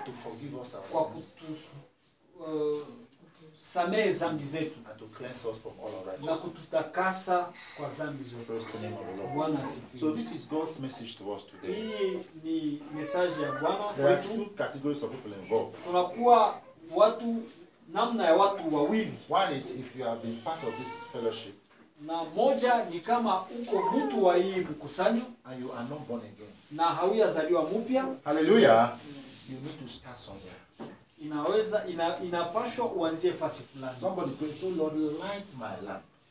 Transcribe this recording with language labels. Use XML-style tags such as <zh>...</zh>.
<en>to forgive us our sins.</en> <sw>Kwa kutusamehe dhambi zetu.</sw> <en>And to cleanse us from all unrighteousness.</en> <sw>Na kututakasa kwa dhambi zote.</sw> <en>Praise the name of the Lord.</en> <sw>Bwana asifiwe.</sw> <en>So this is God's message to us today.</en> <sw>Hii ni message ya Bwana.</sw> <en>There are two categories of people involved.</en> <sw>Tunakuwa watu namna ya watu wawili.</sw> <en>One is if you have been part of this fellowship.</en> <sw>Na moja ni kama uko mtu wa hii mkusanyo.</sw> <en>And you are not born again.</en> <sw>Na hauyazaliwa mpya.</sw> <en>Hallelujah. You need to start somewhere.</en> <sw>Inaweza inapashwa uanzie fasi fulani.</sw> <en>Somebody pray, so Lord light my lamp.</en>